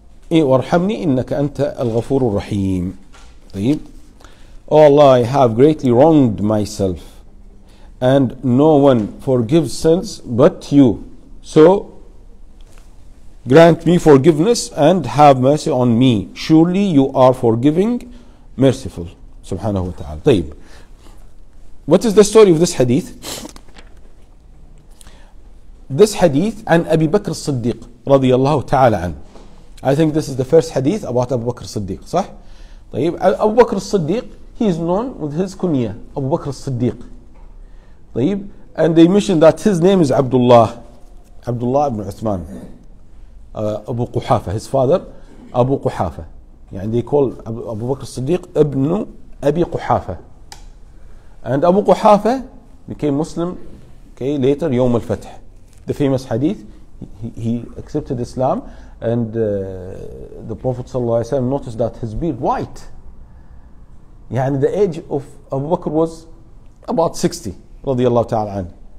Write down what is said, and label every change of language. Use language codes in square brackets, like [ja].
[ar] وارحمني إنك أنت الغفور الرحيم [en] طيب Oh Allah I have greatly wronged myself and no one forgives sins but you so grant me forgiveness and have mercy on me surely you are forgiving merciful سبحانه وتعالى طيب What is the story of this hadith? This hadith [ar] عن أبي بكر الصديق رضي الله تعالى عنه. [en] I think this is the first hadith about أبو بكر الصديق. [ar] صح؟ طيب أبو بكر الصديق [en] he is known with his kunya [ar] أبو بكر الصديق. [en] طيب and they mention that his name is Abdullah Abdullah ibn Uthman أبو قحافة his father أبو قحافة. [ar] يعني [en] they call [ar] أبو بكر الصديق ابن أبي قحافة. [en] And أبو قحافة became Muslim okay later [ar] يوم الفتح. [en] The famous hadith, he accepted Islam and the Prophet sallallahu alayhi wa sallam noticed that his beard white. يعني the age of Abu Bakr was about 60 رضي الله تعالى عنه.